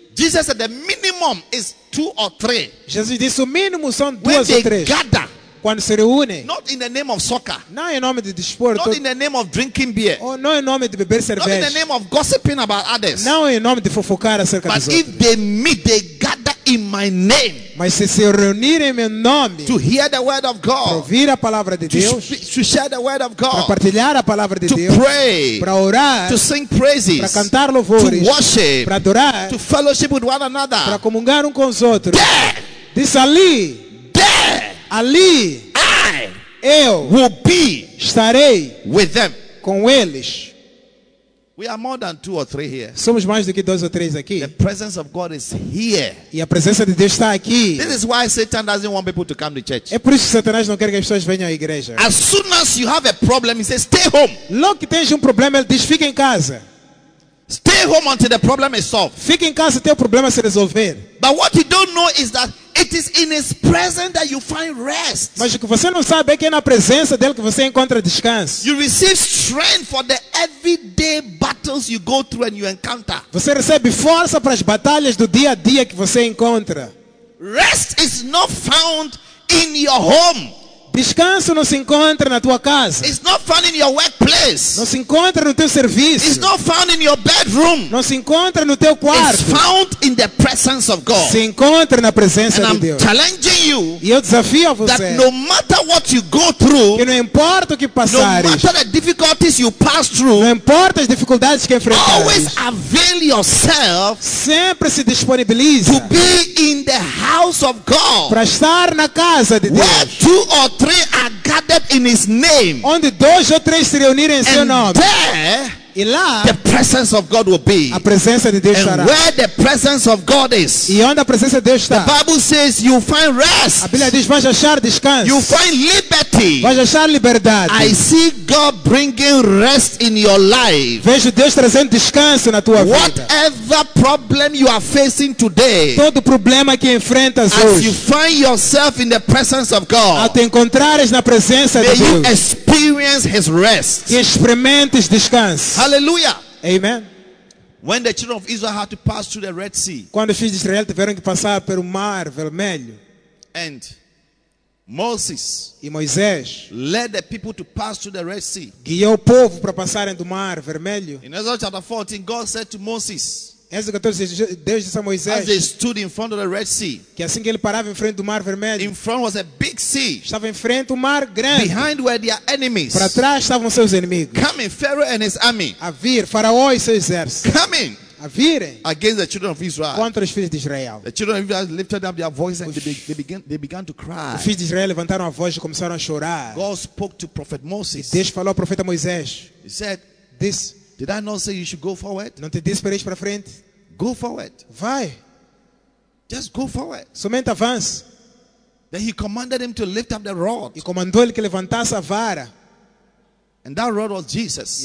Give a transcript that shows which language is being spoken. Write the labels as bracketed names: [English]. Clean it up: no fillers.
[English] Jesus said the minimum is two or three. [Portuguese] Jesus disse o mínimo são duas ou três. [English] Gather, [Portuguese] quando se reúne. [English] Not in the name of soccer. [Portuguese] Não em nome de desporto. [English] Not in the name of drinking beer. [Portuguese] Ou não em nome de beber cerveja. [English] Not in the name of gossiping about others. [Portuguese] Não em nome de fofocar acerca dos outros. [English] But if they meet, they gather in my name. [Portuguese] Mas se reunirem em meu nome. [English] To hear the word of God. [Portuguese] Para ouvir a palavra de Deus. [English] To share the word of God. [Portuguese] Para partilhar a palavra de [English] to [Portuguese] Deus. [English] To pray. [Portuguese] Para orar. [English] To sing praises. [Portuguese] Para cantar louvores. [English] To worship. [Portuguese] Para adorar. [English] To fellowship with one another. [Portuguese] Para comungar com os outros. [English] There. [Portuguese] Diz ali. [English] There. [Portuguese] Ali. [English] I. [Portuguese] Eu. [English] Will be. [Portuguese] Estarei. [English] With them. [Portuguese] Com eles. [English] We are more than two or three here. [Portuguese] Somos mais do que dois ou três aqui. [English] The presence of God is here. [Portuguese] E a presença de Deus está aqui. [English] This is why Satan doesn't want people to come to church. [Portuguese] É por isso que Satanás não quer que as pessoas venham à igreja. [English] As soon as you have a problem, he says, stay home. [Portuguese] Logo que tens problema, ele diz, fique em casa. [English] Stay home until the problem is solved. [Portuguese] Fique em casa até o problema se resolver. [English] But what you don't know is that it is in his presence that you find rest. [Portuguese] Mas o que você não sabe é que é na presença dele que você encontra descanso. [English] You receive strength for the everyday battles you go through and you encounter. [Portuguese] Você recebe força para as batalhas do dia a dia que você encontra. [English] Rest is not found in your home. [Portuguese] Descanso não se encontra na tua casa. [English] It's not found in your workplace. [Portuguese] Não se encontra no teu serviço. [English] It's not found in your bedroom. [Portuguese] Não se encontra no teu quarto. [English] It's found in the presence of God. [Portuguese] Se encontra na presença [English] and [Portuguese] de [English] I'm [Portuguese] Deus. [English] Challenging you. [Portuguese] E eu desafio a você. [English] That no matter what you go through, [Portuguese] que não importa o que passares. [English] No matter the difficulties you pass through, [Portuguese] não importa as dificuldades que enfrentares. [English] Always avail yourself. [Portuguese] Sempre se disponibiliza. [English] To be in the house of God. [Portuguese] Para estar na casa de Deus. [English] Where two or three are gathered in His name. [Portuguese] Onde dois ou três se reunirem em Seu nome. [English] And there, [Portuguese] e lá, [English] the presence of God will be. [Portuguese] A presença de Deus [English] and [Portuguese] estará. [English] Where the presence of God is. [Portuguese] E onde a presença de Deus está. [English] The Bible says you find rest. [Portuguese] A Bíblia diz, vais achar descanso. [English] You find liberty. [Portuguese] Vais achar liberdade. [English] I see God bringing rest in your life. [Portuguese] Vejo Deus trazendo descanso na tua [English] whatever [Portuguese] vida. [English] Whatever problem you are facing today. [Portuguese] Todo problema que enfrentas [English] as [Portuguese] hoje. [English] As you find yourself in the presence of God. [Portuguese] Ao te encontrares na presença de Deus. [English] May you experience His rest. [Portuguese] Que experimentes descanso. [English] Hallelujah. [Portuguese] Amen. [English] When the children of Israel had to pass through the Red Sea. [Portuguese] Quando os filhos de Israel tiveram que passar pelo mar vermelho. [English] And Moses. [Portuguese] E Moisés. [English] Led the people to pass through the Red Sea. [Portuguese] Guiou o povo para passarem do mar vermelho. [English] In Exodus chapter 14, God said to Moses. [Portuguese] Êxodo 14, Deus disse a Moisés. [English] As they stood in front of the Red Sea. [Portuguese] Que assim que ele parava em frente do mar vermelho. [English] In front was a big sea. [Portuguese] Estava em frente um mar grande. [English] Behind were their enemies. [Portuguese] Para trás estavam seus inimigos. [English] Coming Pharaoh and his army. [Portuguese] A vir Faraó e seu exército. [English] Coming. [Portuguese] A virem. [English] Against the children of Israel. [Portuguese] Contra os filhos de Israel. [English] The children of Israel lifted up their voices and they began to cry. [Portuguese] Os filhos de Israel levantaram a voz e começaram a chorar. [English] God spoke to prophet Moses. [Portuguese] E Deus falou ao profeta Moisés. [English] He said, "This." Did I not say you should go forward? [Portuguese] Não te disse para ir para frente? [English] Go forward. [Portuguese] Vai. [English] Just go forward. [Portuguese] Somente avance. [English] Then he commanded him to lift up the rod. [Portuguese] E comandou ele que levantasse a vara. [English] And that rod was Jesus.